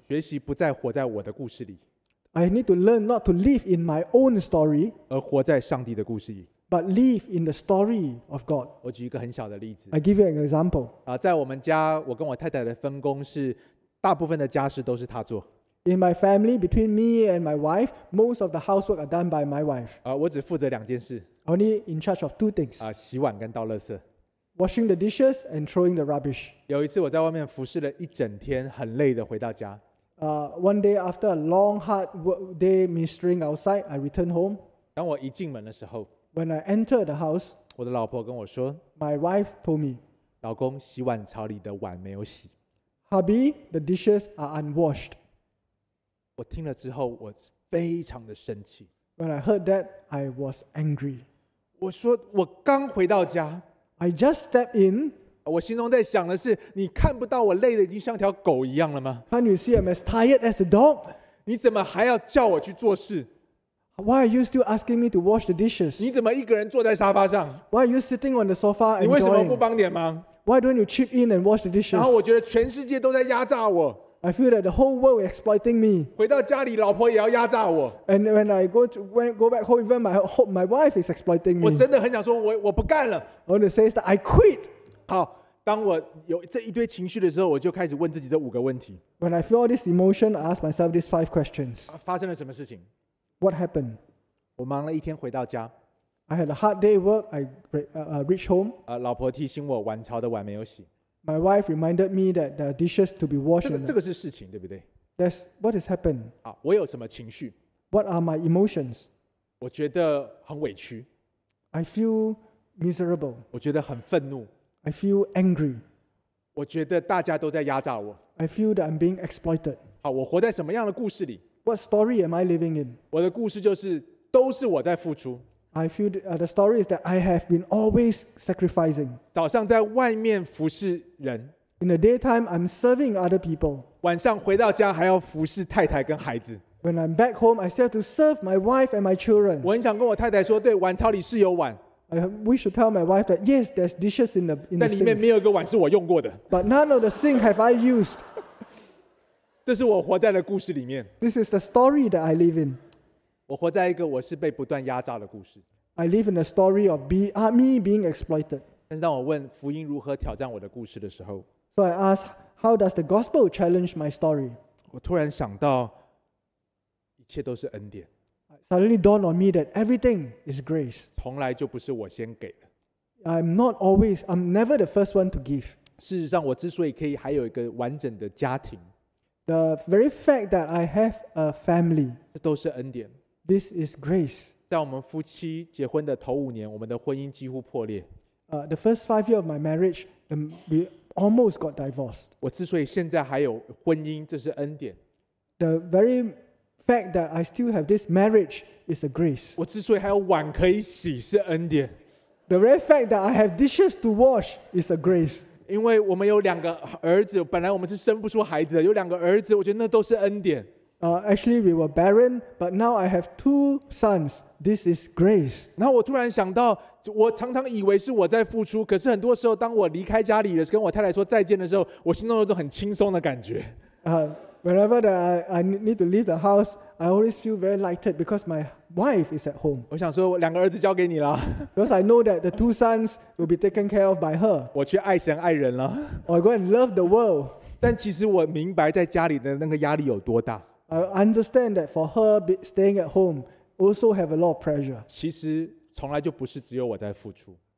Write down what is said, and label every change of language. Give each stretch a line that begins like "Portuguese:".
Chinese: 学习不再活在我的故事里。
English: I need to learn not to live in my own story,
Chinese: 而活在上帝的故事里。
English: But live in the story of God.
Chinese: 我举一个很小的例子。
English: I give you an example.
Chinese: 在我们家，我跟我太太的分工是，大部分的家事都是她做。
English: In my family, between me and my wife, most of the housework are done by my wife.
Chinese: 我只负责两件事。
English: Only in charge of two things.
Chinese: 洗碗跟倒垃圾。
English: washing the dishes and throwing the rubbish.
Chinese: 有一次我在外面服侍了一整天，很累的回到家。
English: One day after a long hard day ministering outside, I returned home.
Chinese: 当我一进门的时候
English: ，When I entered the house,
Chinese: 我的老婆跟我说
English: ，My wife told me,
Chinese: 老公，洗碗槽里的碗没有洗。
English: Hubby, the dishes are unwashed.
Chinese: 我听了之后，我非常的生气。
English: When I heard that, I was angry.
Chinese: 我说我刚回到家。
English: I just stepped in.
Chinese: 我心中在想的是，你看不到我累得已经像条狗一样了吗
English: ？Can't you see I'm as tired as a dog?
Chinese: 你怎么还要叫我去做事
English: ？Why are you still asking me to wash the dishes?
Chinese: 你怎么一个人坐在沙发上
English: ？Why are you sitting on the sofa enjoying?
Chinese: 你为什么不帮点忙
English: ？Why don't you chip in and wash the dishes?
Chinese: 然后我觉得全世界都在压榨我。
English: I feel that the whole world is exploiting me.
Chinese: 回到家里，老婆也要压榨我。
English: And when I go back home, even my wife is exploiting me.
Chinese: 我真的很想说我不干了。
English: I want to say that I quit.
Chinese: 好，当我有这一堆情绪的时候，我就开始问自己这五个问题。
English: When I feel all this emotion, I ask myself these five questions.
Chinese: 发生了什么事情
English: ？What happened?
Chinese: 我忙了一天回到家。
English: I had a hard day work. I reached home.
Chinese: 老婆提醒我碗槽的碗没有洗。
English: My wife reminded me that the dishes to be washed.
Chinese: 这个是事情，对不对
English: ？That's what has happened.
Chinese: 我有什么情绪
English: ？What are my emotions?
Chinese: 我觉得很委屈。
English: I feel miserable.
Chinese: 我觉得很愤怒。
English: I feel angry.
Chinese: 我觉得大家都在压榨我。
English: I feel that I'm being exploited.
Chinese: 好，我活在什么样的故事里
English: ？What story am I living in?
Chinese: 我的故事就是都是我在付出。
English: I feel the story is that I have been always sacrificing.
Chinese: 早上在外面服侍人。
English: In the daytime, I'm serving other people.
Chinese: 晚上回到家还要服侍太太跟孩子。
English: When I'm back home, I still have to serve my wife and my children.
Chinese: 我很想跟我太太说，对，碗槽里是有碗。
English: I wish to tell my wife that yes, there's dishes in the sink.
Chinese: 但里面没有一个碗是我用过的。
English: But none of the sink have I used.
Chinese: 这是我活在的故事里面。
English: This is the story that I live in.
Chinese: 我活在一个我是被不断压榨的故事。
English: I live in a story of me being exploited.
Chinese: 但是当我问福音如何挑战我的故事的时候
English: ，So I ask, how does the gospel challenge my story?
Chinese: 我突然想到，一切都是恩典。
English: Suddenly dawned on me that everything is grace.
Chinese: 从来就不是我先给的。
English: I'm never the first one to give.
Chinese: 事实上，我之所以可以还有一个完整的家庭
English: ，The very fact that I have a family，
Chinese: 这都是恩典。
English: This is grace.
Chinese: 在我们夫妻结婚的头五年，我们的婚姻几乎破裂。
English: The first five years of my marriage, we almost got divorced.
Chinese: 我之所以现在还有婚姻，这是恩典。
English: The very fact that I still have this marriage is a grace.
Chinese: 我之所以还有碗可以洗，是恩典。
English: The very fact that I have dishes to wash is a grace.
Chinese: 因为我们有两个儿子，本来我们是生不出孩子的，有两个儿子，我觉得那都是恩典。
English: Actually, we were barren, but now I have two sons. This is grace.
Chinese: 然后我突然想到，我常常以为是我在付出，可是很多时候，当我离开家里的时候，跟我太太说再见的时候，我心中有种很轻松的感觉。
English: Whenever that I need to leave the house, I always feel very lighted because my wife is at home.
Chinese: 我想说，我两个儿子交给你了。
English: Because I know that the two sons will be taken care of by her.
Chinese: 我去爱神爱人了。
English: I go and love the world.
Chinese: 但其实我明白在家里的那个压力有多大。
English: I understand that for her staying at home also have a lot of pressure.
Chinese: 其实从来就不是只有我在付出。